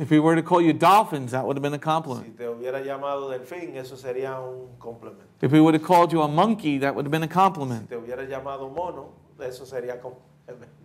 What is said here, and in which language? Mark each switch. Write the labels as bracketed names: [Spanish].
[English] If he were to call you dolphins, that would have been a compliment. [Spanish] Si te hubiera llamado delfín, eso sería un complemento. [English] If he would have called you a monkey, that would have been a compliment. [Spanish] Si te hubiera llamado mono, eso sería complemento.